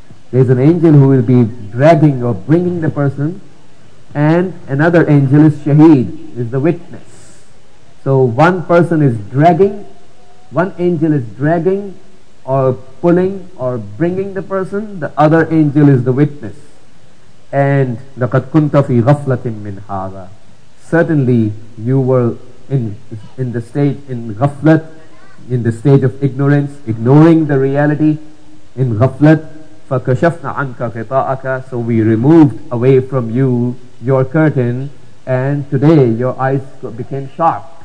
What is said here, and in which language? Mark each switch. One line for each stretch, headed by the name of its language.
English: There's an angel who will be dragging or bringing the person, and another angel is shaheed, is the witness. So one person is dragging, one angel is dragging or pulling or bringing the person, the other angel is the witness.
Arabic: And لَقَدْ كُنْتَ فِي غَفْلَةٍ مِّنْ هَذَا.
English: Certainly you were in the state in ghaflat, in the state of ignorance, ignoring the reality in ghaflat.
Arabic: فَكَشَفْنَا عَنْكَ غِطَاءَكَ.
English: So we removed away from you your curtain, and today your eyes became sharp.